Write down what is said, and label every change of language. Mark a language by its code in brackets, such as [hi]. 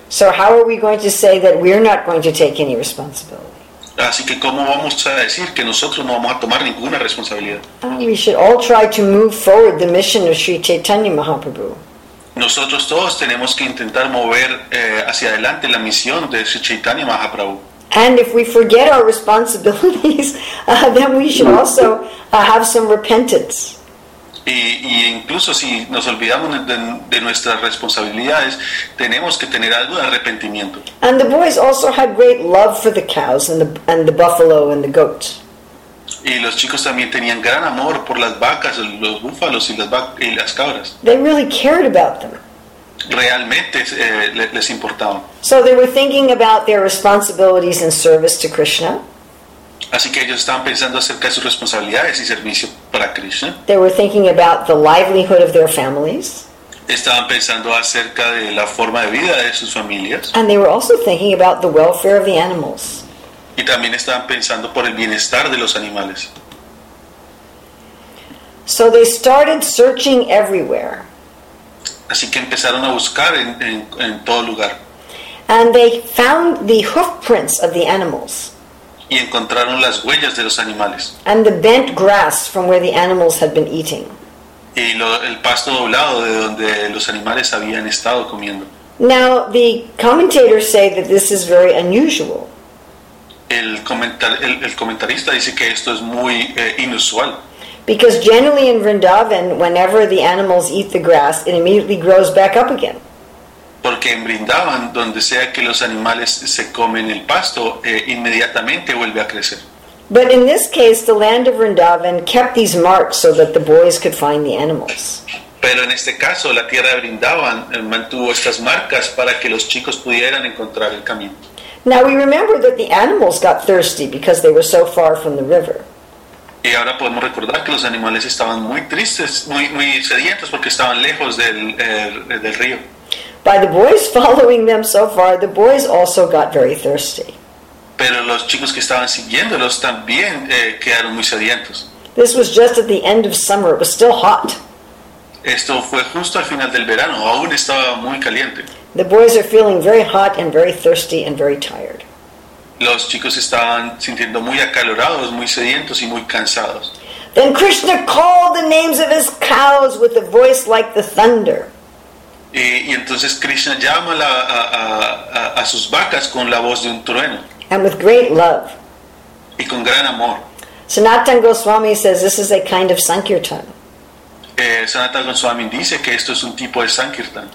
[en] So how are we going to say that we're not going to take any responsibility? [es] Así que ¿cómo vamos a decir que nosotros no vamos a tomar ninguna responsabilidad? [en] We should all try to move forward the mission of Sri Chaitanya Mahaprabhu. [es] Nosotros todos tenemos que intentar mover hacia adelante la misión de Sri Chaitanya Mahaprabhu. [en] And if we forget our responsibilities, then we should also have some repentance. [es] Y incluso si nos olvidamos de nuestras responsabilidades, tenemos que tener algo de arrepentimiento. [en] And the boys also had great love for the cows and the buffalo and the goats. [es] Y los chicos también tenían gran amor por las vacas, los búfalos y las cabras. [en] They really cared about them. [es] Realmente les importaban. [en] So they were thinking about their responsibilities in service to Krishna. [es] Así que ellos estaban pensando acerca de sus responsabilidades y servicio para Krishna. [en] They were thinking about the livelihood of their families. [es] Estaban pensando acerca de la forma de vida de sus familias. [en] And they were also thinking about the welfare of the animals. [es] Y también estaban pensando por el bienestar de los animales. [en] So they started searching everywhere. [es] Así que empezaron a buscar en todo lugar. [en] And they found the hoof prints of the animals. [es] Y encontraron las huellas de los animales. [en] And the bent grass from where the animals had been eating. [es] Y el pasto doblado de donde los animales habían estado comiendo. [en] Now the commentators say that this is very unusual. [es] El comentarista dice que esto es muy inusual. [en] Because generally in Vrindavan, whenever the animals eat the grass, it immediately grows back up again. [es] Porque en Vrindavan, donde sea que los animales se comen el pasto, inmediatamente vuelve a crecer. [en] But in this case, the land of Vrindavan kept these marks so that the boys could find the animals. [es] Pero en este caso, la tierra de Vrindavan mantuvo estas marcas para que los chicos pudieran encontrar el camino. [en] Now we remember that the animals got thirsty because they were so far from the river. [es] Y ahora podemos recordar que los animales estaban muy tristes, muy, muy sedientos porque estaban lejos del, del río. [en] By the boys following them so far, the boys also got very thirsty. [es] Pero los chicos que estaban siguiéndolos también quedaron muy sedientos. [en] This was just at the end of summer. It was still hot. [es] Esto fue justo al final del verano. Aún estaba muy caliente. [en] The boys are feeling very hot and very thirsty and very tired. [es] Los chicos estaban sintiendo muy acalorados, muy sedientos y muy cansados. [en] Then Krishna called the names of his cows with a voice like the thunder. [es] Y entonces Krishna llama a sus vacas con la voz de un trueno. [en] And with great love. [es] Y con gran amor. [en] Sanatana Goswami says this is a kind of sankirtan. [es] Sanatana Goswami dice que esto es un tipo de sankirtan.